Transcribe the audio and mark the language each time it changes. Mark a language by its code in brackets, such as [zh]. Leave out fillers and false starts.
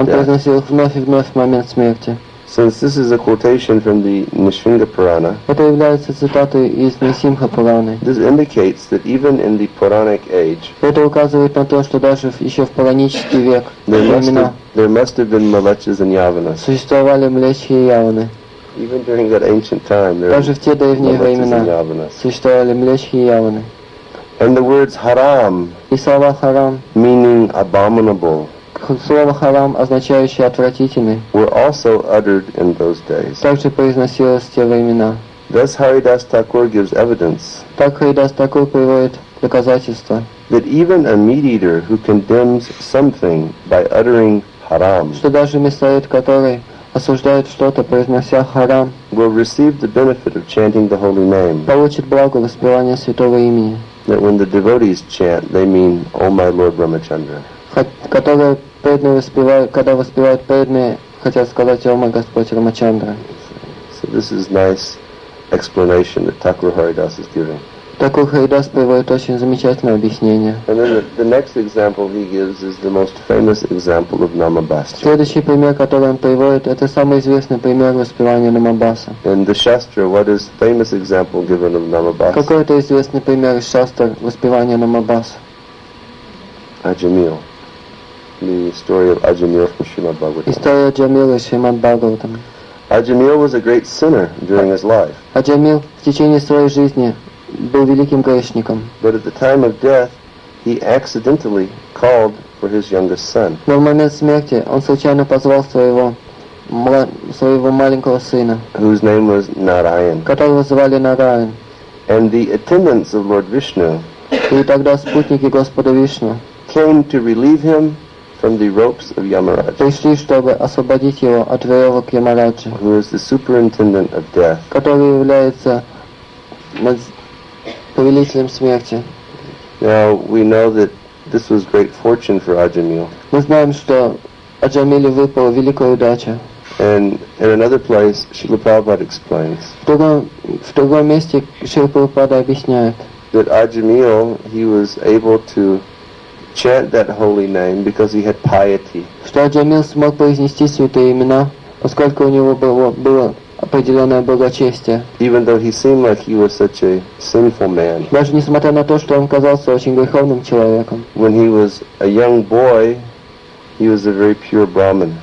[ru] Он произносил их вновь и вновь в момент смерти. [en] Since this is a quotation from the Nisinga Purana, [ru] это является цитатой из Нисинха Пураны. [en] This indicates that even in the Puranic age, [ru] это указывает на то, что даже еще в Пуранический век, [en] there must have been malechas and yavanas. [ru] Существовали млечхи и яваны. [en] Even during that ancient time, there [ru] даже в те древние времена существовали млечхи и яваны. [en] And the words haram, [ru] и слова харам, [en] meaning abominable. [ru] Слово «харам», означающее «отвратительный», [en] were also uttered in those days. [ru] Также произносилось в те времена. [en] Thus Haridas Thakur gives evidence. [ru] Так Haridas Thakur приводит доказательство. [en] That even a meat eater who condemns something by uttering «харам», [ru] что даже мясоед, который осуждает что-то, произнося «харам», [en] will receive the benefit of chanting the holy name. [ru] Получит благо воспевания святого имени. [en] That when the devotees chant, they mean «О, my Lord Рамачандра». [ru] Когда воспевают преданные, хотят сказать «О мой Господь Рамачандра». [en] So this is nice explanation that Thakur Haridas is giving. [ru] Thakur Haridas приводит очень замечательное объяснение. [en] And then the next example he gives is the most famous example of Namabhas. [ru] Следующий пример, который он приводит, это самый известный пример воспевания Намабаса. [en] In the Shastra, what is famous example given of Namabhas? [ru] Какой это известный пример из Шастр воспевания Намабаса? [en] Ajamil. The story of Ajamil from Srimad Bhagavatam. [ru] История Ajamila из Шримад Бхагаватам. [en] Ajamil was a great sinner during his life. [ru] Ajamil в течение своей жизни был великим грешником. [en] But at the time of death, he accidentally called for his youngest son. [ru] Но в момент смерти он случайно позвал своего маленького сына. [en] Whose name was Narayan. [ru] Которого звали Нараян. [en] And the attendants of Lord Vishnu. [ru] И тогда спутники Господа Вишну. [en] Came to relieve him from the ropes of Yamaraj. [ru] Пришли, чтобы освободить его от веревок Ямараджа. [en] Who is the superintendent of death? [ru] Который является повелителем смерти. [en] Now we know that this was great fortune for Ajamil. [ru] Мы знаем, что Аджамиле выпала великая удача. [en] And in another place, Srila Prabhupada explains. [ru] В другом месте Шрила Прабхупада объясняет. [en] That Ajamil, he was able to chant that holy name because he had piety. [ru] Что Джамил смог произнести святые имена, поскольку у него было определенное благочестие. [en] Even though he seemed like he was such a sinful man. [ru] Даже несмотря на то, что он казался очень греховным человеком. [en] When he was a young boy, he was a very pure Brahmin.